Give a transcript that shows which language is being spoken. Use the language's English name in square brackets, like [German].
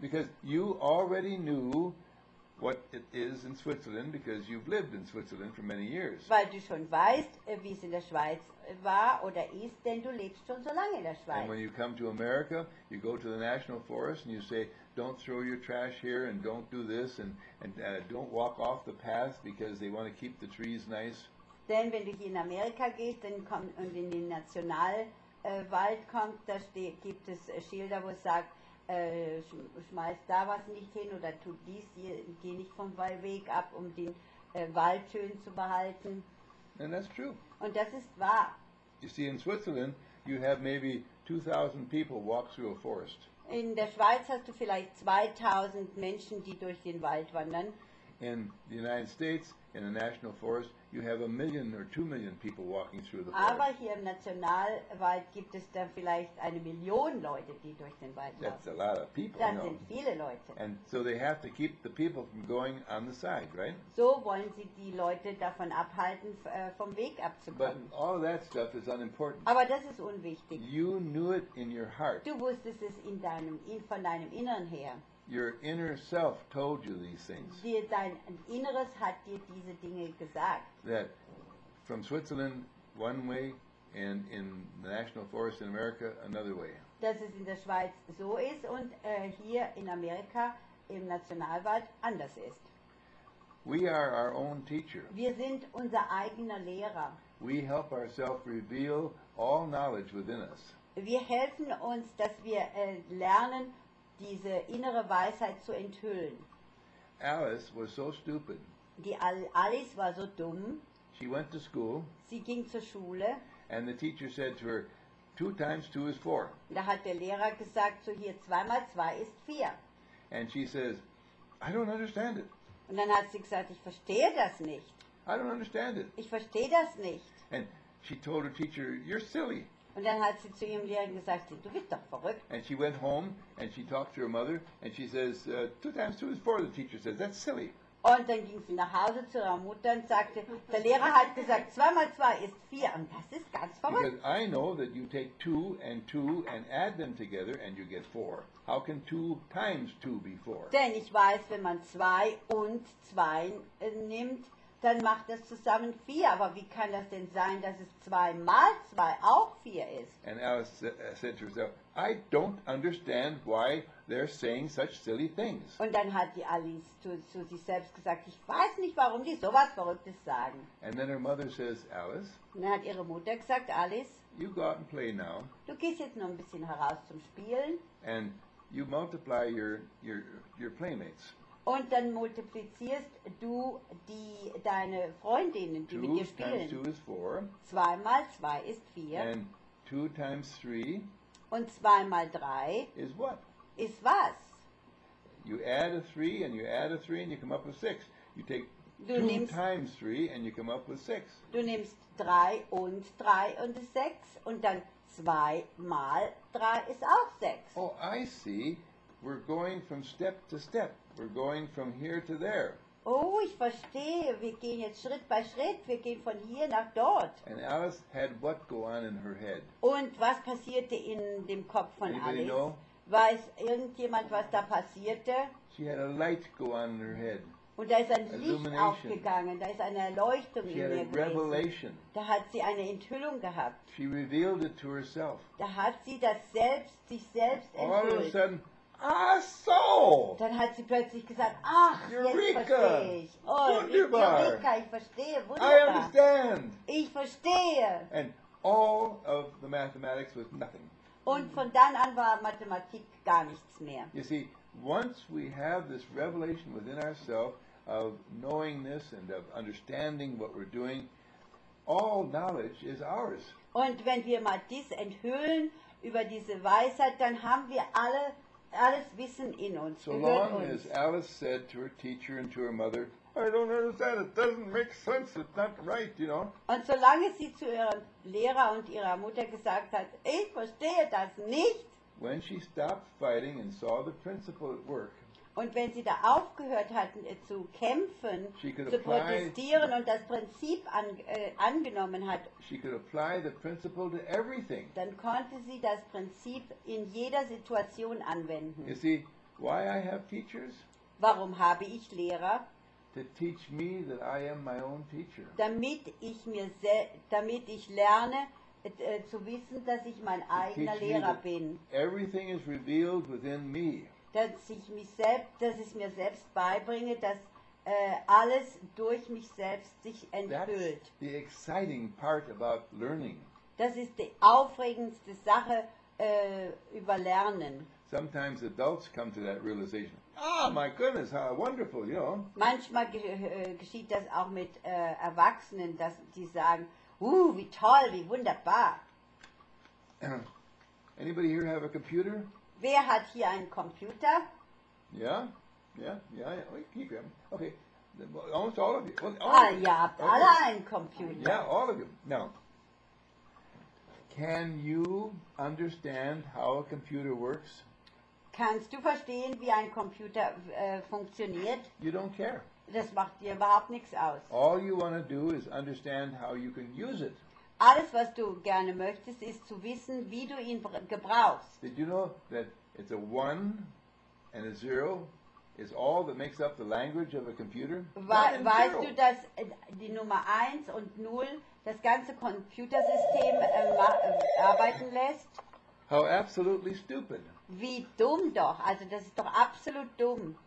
[English] Because you already knew what it is in Switzerland, because you've lived in Switzerland for many years. [German] Weil du schon weißt, wie es in der Schweiz war oder ist, denn du lebst schon so lange in der Schweiz. [English] And when you come to America, you go to the National Forest and you say, don't throw your trash here and don't do this and don't walk off the path because they want to keep the trees nice. [German] Denn wenn du hier in Amerika gehst, dann kommst du in den National Wald kommt, da gibt es Schilder, wo es sagt, schmeiß da was nicht hin oder tu dies, geh nicht vom Weg ab, um den Wald schön zu behalten. [English] And that's true. [German] Und das ist wahr. [English] You see, in Switzerland, you have maybe 2,000 people walk through a forest. [German] In der Schweiz hast du vielleicht 2,000 Menschen, die durch den Wald wandern. [English] In the United States, in a national forest, you have a million or 2 million people walking through the forest. [German] Aber hier im Nationalwald gibt es dann vielleicht 1 Million Leute, die durch den Wald laufen. [English] That's a lot of people. [German] Das sind viele Leute. [English] And so they have to keep the people from going on the side, right? [German] So wollen sie die Leute davon abhalten, vom Weg abzukommen. [English] But all that stuff is unimportant. [German] Aber das ist unwichtig. [English] You knew it in your heart. [German] Du wusstest es in deinem, von deinem Inneren her. [English] Your inner self told you these things. [German] Dein Inneres hat dir diese Dinge gesagt. [English] That from Switzerland one way and in the National Forest in America another way. [German] Dass es in der Schweiz so ist und hier in Amerika im Nationalwald anders ist. [English] We are our own teacher. [German] Wir sind unser eigener Lehrer. [English] We help ourselves reveal all knowledge within us. [German] Wir helfen uns, dass wir lernen, diese innere Weisheit zu enthüllen. [English] Alice was so stupid. [German] Die Alice war so dumm. [English] She went to school. [German] Sie ging zur Schule. [English] And the teacher said to her, 2 times 2 is 4. [German] Da hat der Lehrer gesagt zu ihr, 2 mal 2 ist 4. [English] And she says, I don't understand it. [German] Und dann hat sie gesagt, ich verstehe das nicht. [English] I don't understand it. [German] Ich verstehe das nicht. [English] And she told her teacher, you're silly. [German] Und dann hat sie zu ihrem Lehrer gesagt, du bist doch verrückt. [English] And she went home and she talked to her mother and she says, 2 times 2 is 4, the teacher says, that's silly. [German] Und dann ging sie nach Hause zu ihrer Mutter und sagte, der Lehrer hat gesagt, 2 mal 2 ist 4 und das ist ganz verrückt. [English] Because I know that you take 2 and 2 and add them together and you get 4. How can 2 times 2 be 4? [German] Denn ich weiß, wenn man 2 und 2 nimmt, dann macht das zusammen 4. Aber wie kann das denn sein, dass es 2 mal 2 auch 4 ist? [English] And Alice said to herself, I don't understand why they're saying such silly things. [German] Und dann hat die Alice zu sich selbst gesagt, ich weiß nicht, warum die sowas Verrücktes sagen. [English] And then her mother says, Alice. [German] Und dann hat ihre Mutter gesagt, Alice. [English] You go out and play now. [German] Du gehst jetzt noch ein bisschen heraus zum Spielen. [English] And you multiply your playmates. [German] Und dann multiplizierst du deine Freundinnen, die mit dir spielen. [English] 2 times 2 is 4. [German] 2 mal 2 ist 4. [English] And 2 times 3. [German] Und 2 mal 3. [English] Is what? [German] Ist was? [English] You add a 3 and you add a 3 and you come up with 6. You take 2 times 3 and you come up with 6. [German] Du nimmst 3 und 3 und 6 und dann 2 mal 3 ist auch 6. [English] Oh, I see. We're going from step to step. We're going from here to there. [German] Oh, ich verstehe. Wir gehen jetzt Schritt bei Schritt. Wir gehen von hier nach dort. [English] And Alice had what go on in her head? [German] Und was passierte in dem Kopf von [English] Anybody [German] Alice? [English] Know? [German] Weiß irgendjemand, was da passierte? [English] She had a light go on in her head. [German] Und da ist ein Licht aufgegangen. Da ist eine Erleuchtung [English] she [German] in ihr gewesen. [English] Revelation. [German] Da hat sie eine Enthüllung gehabt. [English] She revealed it to herself. [German] Da hat sie das selbst, sich selbst enthüllt. [English] All of a sudden, ah, so. [German] Dann hat sie plötzlich gesagt, ach, [English] Eureka, [German] jetzt verstehe ich. Oh, Eureka, ich verstehe, wunderbar. [English] I understand. [German] Ich verstehe. [English] And all of the mathematics was nothing. [German] Und von dann an war Mathematik gar nichts mehr. [English] You see, once we have this revelation within ourselves of knowing this and of understanding what we're doing, all knowledge is ours. [German] Und wenn wir mal dies enthüllen über diese Weisheit, dann haben wir alles Wissen in uns. [English] So long [German] uns. [English] As Alice said to her teacher and to her mother, I don't understand, it doesn't make sense, it's not right, you know. [German] Und solange sie zu ihrem Lehrer und ihrer Mutter gesagt hat, ich verstehe das nicht. [English] When she stopped fighting and saw the principle at work. [German] Und wenn sie da aufgehört hatten zu kämpfen, zu protestieren und das Prinzip angenommen hat, [English] she could apply the principle to everything. [German] Dann konnte sie das Prinzip in jeder Situation anwenden. [English] You see, why I have teachers? [German] Warum habe ich Lehrer? [English] To teach me that I am my own teacher. [German] Damit ich lerne, zu wissen, dass ich mein eigener Lehrer bin. [English] Everything is revealed within me. [German] Dass ich mir selbst beibringe, dass alles durch mich selbst sich enthüllt. [English] That's the exciting part about learning. [German] Das ist die aufregendste Sache über Lernen. [English] Sometimes adults come to that realization. Oh my goodness, how wonderful, you know. [German] Manchmal geschieht das auch mit Erwachsenen, dass die sagen, wie toll, wie wunderbar. [English] Anybody here have a computer? [German] Wer hat hier einen Computer? [English] Yeah. Oh, you keep him. Okay. Almost all of you. [German] Alle einen Computer. [English] Yeah, all of you. Now, can you understand how a computer works? [German] Kannst du verstehen, wie ein Computer funktioniert? [English] You don't care. [German] Das macht dir überhaupt nichts aus. [English] All you want to do is understand how you can use it. [German] Alles, was du gerne möchtest, ist zu wissen, wie du ihn gebrauchst. [English] Did you know that it's a one and a zero is all that makes up the language of a computer? [German] Weißt du, dass die Nummer 1 und 0 das ganze Computersystem arbeiten lässt? [English] How absolutely stupid. [German] Wie dumm doch. Also das ist doch absolut dumm.